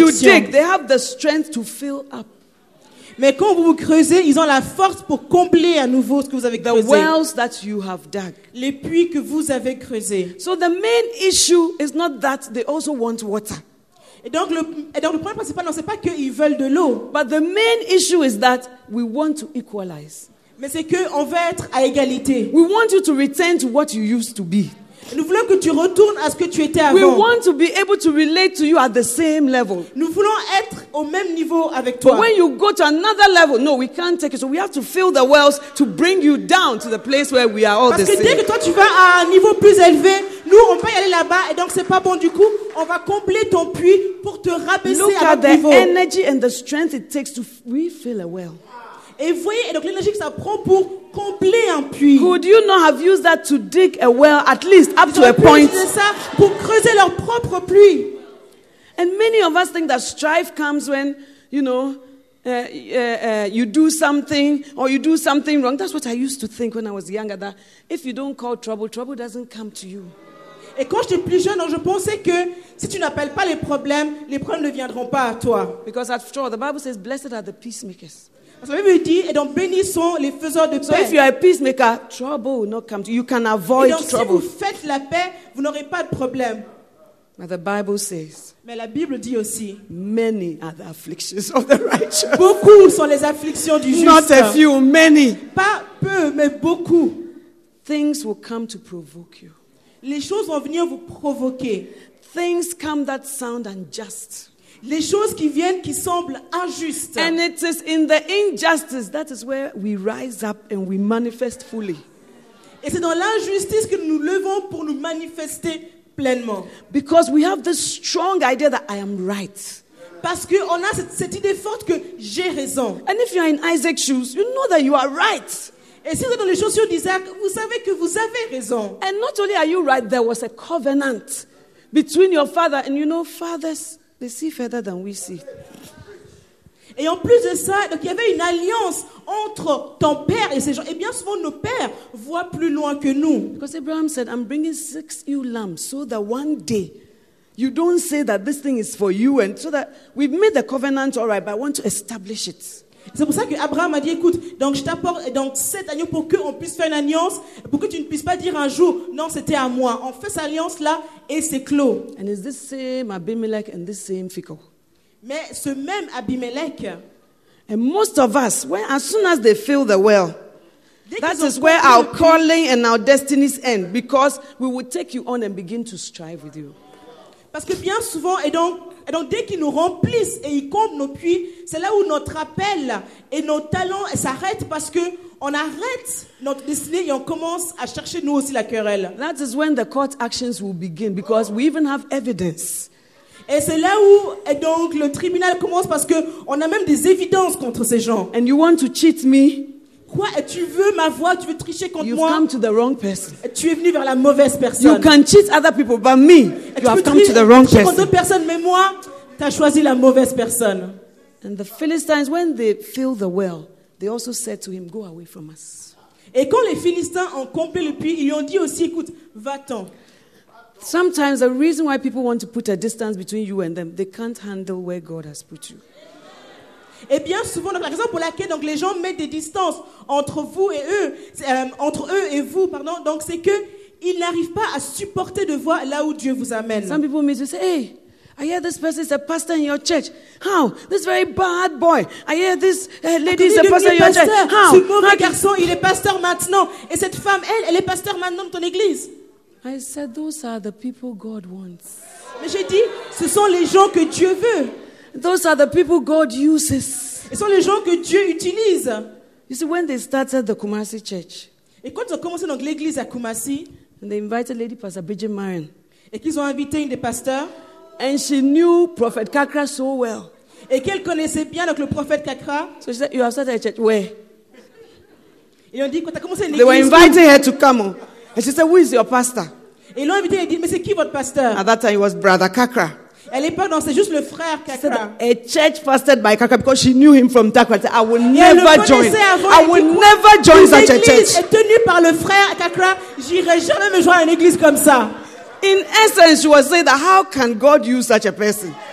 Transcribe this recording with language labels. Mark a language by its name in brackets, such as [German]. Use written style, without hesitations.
[English] But when you dig, they have the strength to fill up. [French] Mais quand vous creusez, ils ont la force pour combler à nouveau ce que vous avez creusé. [English] The wells that you have dug. [French] Les puits que vous avez creusés. [English] So the main issue is not that they also want water. [French] Et donc le problème principal, non, c'est pas qu'ils veulent de l'eau. [English] But the main issue is that we want to equalize. [French] Mais c'est que on veut être à égalité. [English] We want you to return to what you used to be. [French] Nous voulons que tu retournes à ce que tu étais avant. [English] We want to be able to relate to you at the same level. [French] Nous voulons être au même niveau avec toi. [English] But when you go to another level, no, we can't take it. So we have to fill the wells to bring you down to the place where we are all [French] parce [English] the same. [French] Parce que dès que toi tu vas à un niveau plus élevé, nous on peut y aller là-bas et donc c'est pas bon. Du coup, on va combler ton puits pour te rabaisser [English] look [French] à notre niveau. [English] Look at the energy and the strength it takes to refill a well. [French] Et voyez, et donc l'énergie que ça prend pour combler un puits. [English] Could you not have used that to dig a well at least up to a point? [French] Ils ont pu utiliser ça pour creuser leur propre puits. [English] And many of us think that strife comes when, you know, you do something or you do something wrong. That's what I used to think when I was younger, that if you don't call trouble, trouble doesn't come to you. [French] Et quand j'étais plus jeune, je pensais que si tu n'appelles pas les problèmes ne viendront pas à toi. [English] Because after all, the Bible says, blessed are the peacemakers. [French] Parce que la Bible dit, et donc bénis sont les faiseurs de paix. [English] So if you are a peacemaker, trouble will not come to you. You can avoid [French] et donc, [English] trouble. [French] Si vous faites la paix, vous n'aurez pas de problème. [English] But the Bible says, [French] mais la Bible dit aussi, [English] many are the afflictions of the righteous. [French] Beaucoup sont les afflictions du juste. [English] Not a few, many. [French] Pas peu, mais beaucoup. [English] Things will come to provoke you. [French] Les choses vont venir vous provoquer. [English] Things come that sound unjust. [French] Les choses qui viennent qui semblent injustes. [English] And it is in the injustice that is where we rise up and we manifest fully. [French] Et c'est dans l'injustice que nous levons pour nous manifester pleinement. [English] Because we have this strong idea that I am right. [French] Parce que on a cette idée forte que j'ai raison. [English] And if you are in Isaac's shoes, you know that you are right. [French] Et si vous êtes dans les chaussures d'Isaac, vous savez que vous avez raison. [English] And not only are you right, there was a covenant between your father and you know fathers. They see further than we see. [French] Et en plus de ça, donc il y avait une alliance entre ton père et ces gens. Et bien souvent, nos pères voient plus loin que nous. [English] Because Abraham said, "I'm bringing 6 ewe lambs, so that one day you don't say that this thing is for you, and so that we've made the covenant, all right, but I want to establish it." [French] C'est pour ça que Abraham a dit, écoute, donc je t'apporte donc 7 agneaux pour que on puisse faire une alliance, pour que tu ne puisses pas dire un jour, non, c'était à moi. On fait cette alliance là et c'est clos. [English] And it's this same Abimelech and this same Fico. [French] Mais ce même Abimelech. [English] And most of us, as soon as they fill the well, that is where our calling and our destinies end, because we will take you on and begin to strive with you. [French] Parce que bien souvent, et donc dès qu'ils nous remplissent et ils comblent nos puits, c'est là où notre appel et nos talents s'arrêtent parce que on arrête notre destinée et on commence à chercher nous aussi la querelle. [English] That is when the court actions will begin because we even have evidence. [French] Et c'est là où et donc le tribunal commence parce que on a même des évidences contre ces gens. [English] And you want to cheat me? [French] Quoi? Et tu veux m'avoir? Tu veux tricher contre [English] You've [French] moi? [English] You've come to the wrong person. [French] Et tu es venu vers la mauvaise personne. [English] You can cheat other people, but me, [French] et [English] you have come to the wrong person. [French] Tu peux tricher contre d'autres personnes, mais moi, t'as choisi la mauvaise personne. [English] And the Philistines, when they filled the well, they also said to him, "Go away from us." [French] Et quand les Philistins ont comblé le puits, ils lui ont dit aussi, écoute, va-t'en. [English] Sometimes the reason why people want to put a distance between you and them, they can't handle where God has put you. [French] Et bien souvent, donc la raison pour laquelle donc les gens mettent des distances entre vous et eux, entre eux et vous, pardon, donc c'est que ils n'arrivent pas à supporter de voir là où Dieu vous amène. [English] Some people may say, "Hey, I hear this person is a pastor in your church. How? This very bad boy. I hear this lady is a pastor in your church. How? [French] Ce mauvais garçon, il est pasteur maintenant. Et cette femme, elle est pasteur maintenant de ton église." [English] I said, "Those are the people God wants." [French] Mais j'ai dit, ce sont les gens que Dieu veut. [English] Those are the people God uses. [French] Ce sont les gens que Dieu utilise. [English] You see, when they started the Kumasi Church, [French] Et quand ils ont commencé donc l'église à Kumasi, [English] and they invited Lady Pastor Bridget Marion. [French] Et qu'ils ont invité une des pasteurs, [English] and she knew Prophet Kakra so well. [French] Et qu'elle connaissait bien donc le prophète Kakra. [English] So she said, "You have started a church where?" [French] Et on dit quand tu as commencé l'église. [English] They were inviting her to come. And she said, "Who is your pastor?" [French] Et l'ont invité et dit, "Mais c'est qui votre pasteur?" [English] At that time it was Brother Kakra. [French] À l'époque, non, c'est juste le frère Kakra. [English] Said, a church pastored by Kakra because she knew him from Takwa. I will never join. [French] Avant, [English] I will never join [French] une [English] such a church. [French] Église est tenue par le frère Kakra. J'irai jamais me joindre à une église comme ça. [English] In essence, she was saying that how can God use such a person?